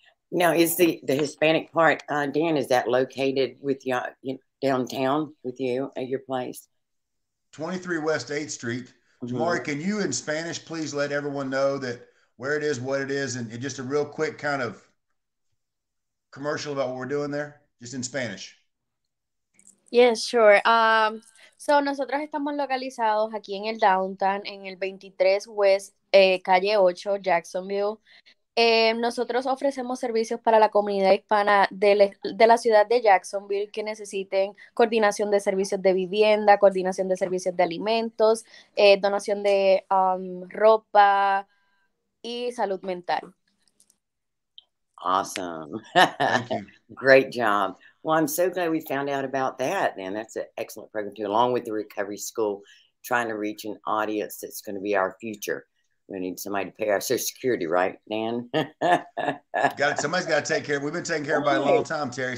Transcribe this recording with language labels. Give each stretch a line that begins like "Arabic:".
English: Now, is the Hispanic part, Dan, is that located with you downtown with you at your place? 23 West 8th Street. Mm-hmm. Jomery, can you in Spanish please let everyone know that where it is, what it is, and just a real quick kind of commercial about what we're doing there, just in Spanish? Yes, sure.
Spanish: So, nosotros estamos localizados aquí en el downtown, en el 23 West, calle 8, Jacksonville. Nosotros ofrecemos servicios para la comunidad hispana de la ciudad de Jacksonville que necesiten coordinación de servicios de vivienda, coordinación de servicios de alimentos, donación de ropa y salud mental.
English: Awesome. Great job. Well, I'm so glad we found out about that. And that's an excellent program too, along with the recovery school, trying to reach an audience that's going to be our future. We need somebody to pay our Social Security, right, Dan? Somebody's got to take care of. We've been taking care of everybody a long time, Terri.